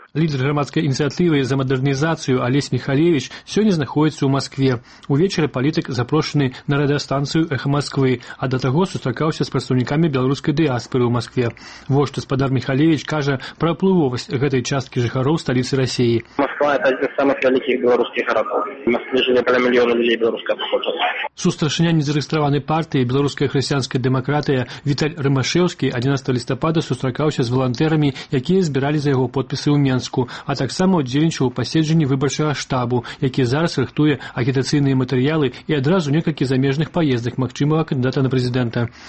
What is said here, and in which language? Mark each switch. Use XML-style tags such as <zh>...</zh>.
<be>Лідар грамадскай ініцыятывы за мадэрнізацыю Алесь Міхалевіч сёння знаходзіцца ў Маскве. Увечары палітык запрошаны на радыёстанцыю «Эхо Москвы», а до того сустракаўся с прадстаўнікамі беларускай дыаспоры ў Москве. Вось што спадар Міхалевіч кажа пра плывовасць гэтай часткі жыхароў сталіцы Расіі.</be> <ru>Москва – это один из самых великих белорусских городов. В Москве жили более миллиона людей белорусского происхождения.</ru> <be>Сустрашыня</be> <ru>незарегистрованной партии «Белорусская христианская демократия»</ru> <be>Віталь Рымашэўскі 11 лістапада сустракаўся з волонтерами, якія збіралі за яго подпісы ў Менску, а таксама удзельнічаў у паседжанні выбарчага штабу, які зараз рыхтуе агітацыйныя матэрыялы і адразу некалькі замежных паездак магчымага кандыдата на прэзідэнта.</be>